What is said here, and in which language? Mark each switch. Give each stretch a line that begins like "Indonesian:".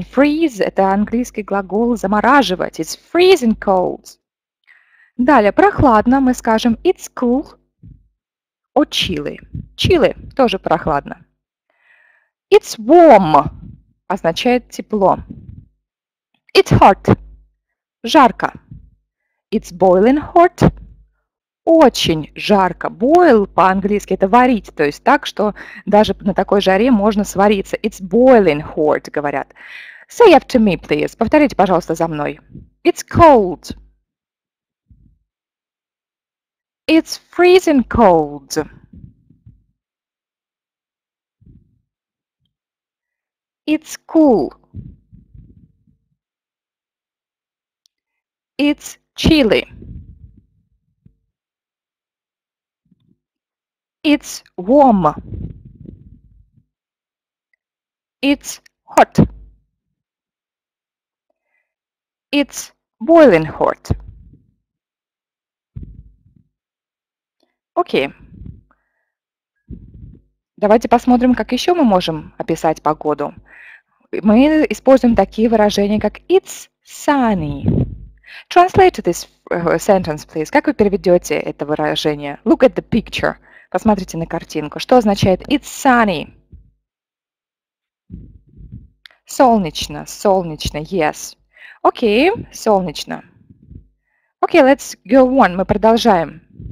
Russian: Freeze – это английский глагол замораживать.
English: It's freezing cold.
Russian: Далее, прохладно, мы скажем
English: it's cool or chilly.
Russian: Chilly – тоже прохладно.
English: It's warm
Russian: – означает тепло.
English: It's hot –
Russian: жарко.
English: It's boiling hot –
Russian: очень жарко. Boil по-английски – это варить, то есть так, что даже на такой жаре можно свариться.
English: It's boiling hot,
Russian: говорят.
English: Say after me, please.
Russian: Повторите, пожалуйста, за мной.
English: It's cold. It's freezing cold. It's cool. It's chilly. It's warm. It's hot. It's boiling hot.
Russian: Окей. Давайте посмотрим, как еще мы можем описать погоду. Мы используем такие выражения, как
English: it's sunny. Translate this sentence, please.
Russian: Как вы переведете это выражение?
English: Look at the picture.
Russian: Посмотрите на картинку. Что означает
English: it's sunny?
Russian: Солнечно, солнечно,
English: yes.
Russian: Окей, солнечно. Окей,
English: let's go on,
Russian: мы продолжаем.